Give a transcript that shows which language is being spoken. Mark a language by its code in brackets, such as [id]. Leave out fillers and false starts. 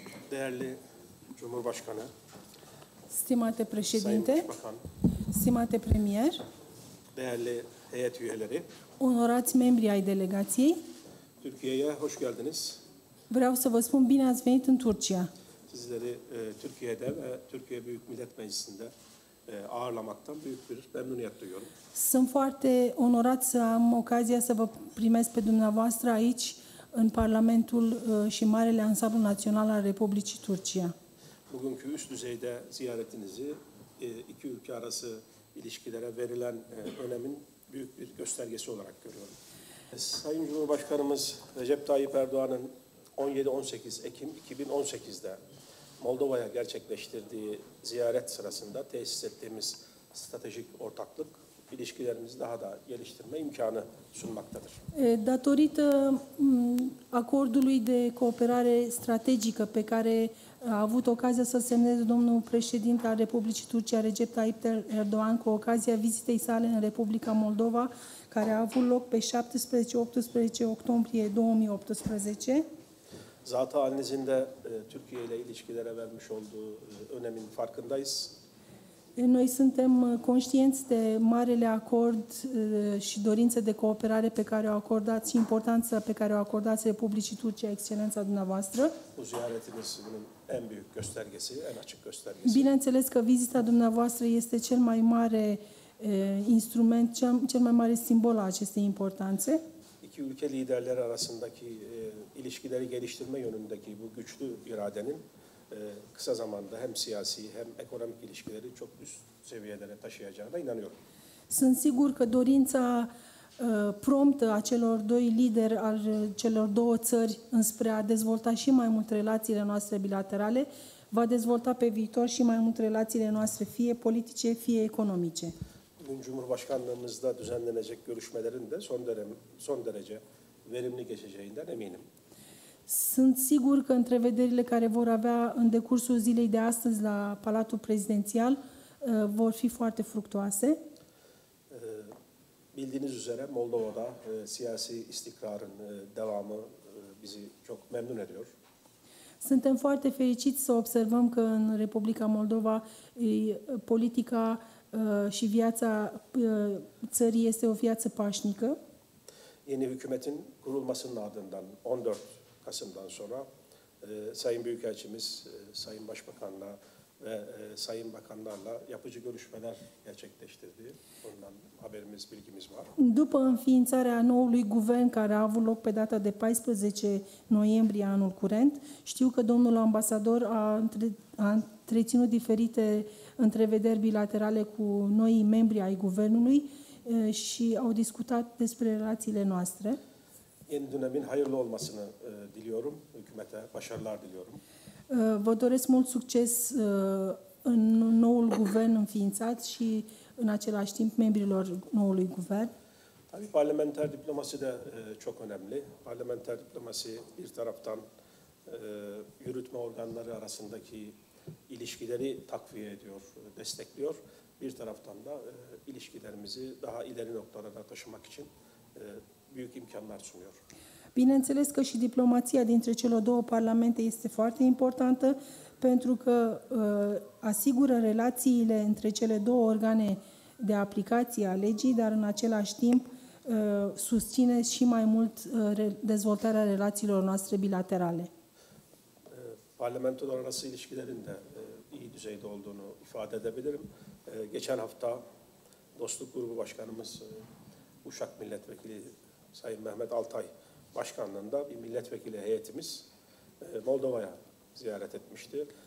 [tr] Değerli Cumhurbaşkanı, [ro] stimate președinte, stimate premier, [tr] değerli heyet üyeleri, [ro] onorați membri ai delegației, [tr] Türkiye'ye hoş geldiniz. [ro] Vreau să vă spun bine ați venit în Turcia. [tr] Sizleri Türkiye'de ve Türkiye Büyük Millet Meclisi'nde ağırlamaktan büyük bir memnuniyet duyuyorum. [ro] Sunt foarte onorat să am ocazia să vă primesc pe dumneavoastră aici în Parlamentul și Marele Ansamblu Național al Republicii Turcia. [tr] Bugünkü üst düzeyde ziyaretinizi iki ülke arası ilişkilere verilen önemin büyük bir göstergesi olarak görüyorum. Sayın Cumhurbaşkanımız Recep Tayyip Erdoğan'ın 17-18 Ekim 2018'de Moldova'ya gerçekleştirdiği ziyaret sırasında tesis ettiğimiz stratejik ortaklık ilişkilerimizi daha da geliştirme imkanı sunmaktadır. [ro] Datorită acordului de cooperare strategică pe care a avut ocazia să semneze domnul președinte al Republicii Turcia Recep Tayyip Erdoğan cu ocazia vizitei sale în Republica Moldova, care a avut loc pe 17-18 octombrie 2018. [tr] Zaten halinizin de Türkiye ile ilişkilere vermiş olduğu önemin farkındayız. [ro] Noi suntem conștienți de marele acord și dorință de cooperare pe care o acordați și importanța pe care o acordați Republicii Turcia, excelența dumneavoastră. [tr] Bu ziyaretiniz bunun en büyük göstergesi, en açık göstergesi. [ro] Bineînțeles că vizita dumneavoastră este cel mai mare instrument, cel mai mare simbol a acestei importanțe. [tr] İki ülke liderleri arasındaki ilişkileri geliştirme yönündeki bu güçlü iradenin kısa zamanda hem siyasi hem ekonomik ilişkileri çok üst seviyelere taşıyacağına inanıyorum. [ro] Sunt sigur că dorința promptă a celor doi lideri al celor două țări înspre a dezvolta și mai mult relațiile noastre bilaterale va dezvolta pe viitor și mai mult relațiile noastre fie politice, fie economice. [tr] Bugün Cumhurbaşkanlığımızda düzenlenecek görüşmelerin de son derece verimli geçeceğinden eminim. [ro] Sunt sigur că întrevederile care vor avea în decursul zilei de astăzi la Palatul Prezidențial vor fi foarte fructuoase. [tr] Bildiğiniz üzere Moldova'da siyasi istikrarın devamı bizi çok memnun ediyor. [ro] Suntem foarte fericiți să observăm că în Republica Moldova politica și viața țării este o viață pașnică. [tr] Yeni hükümetin kurulmasının ardından 14 Kasım'dan sonra Sayın Büyükelçimiz, Sayın Başbakan'la ve Sayın Bakanlarla yapıcı görüşmeler gerçekleştirdi. Bundan haberimiz, bilgimiz var. [ro] După înființarea noului guvern care a avut loc pe data de 14 noiembrie anul curent, știu că domnul ambasador a întreținut diferite întrevederi bilaterale cu noii membri ai guvernului și au discutat despre relațiile noastre. [tr] Yeni dönemin hayırlı olmasını diliyorum. Hükümete başarılar diliyorum. [ro] Vă doresc mult succes în noul guvern înființat și în același timp membrilor noului guvern. [tr] Tabii parlamenter diplomasi de çok önemli. Parlamenter diplomasi bir taraftan yürütme organları arasındaki ilişkileri takviye ediyor, destekliyor. Bir taraftan da ilişkilerimizi daha ileri noktalara taşımak için büyük imkanlar sunuyor. [ro] Bineînțeles că și diplomația dintre cele două parlamente este foarte importantă pentru că asigură relațiile între cele două organe de aplicație a legii, dar în același timp susține și mai mult dezvoltarea relațiilor noastre bilaterale. [tr] Parlamentul arası ilişkilerin de iyi düzeyde olduğunu ifade edebilirim. Geçen hafta dostluk grubu başkanımız Uşak milletvekili Sayın Mehmet Altay başkanlığında bir milletvekili heyetimiz Moldova'ya ziyaret etmişti.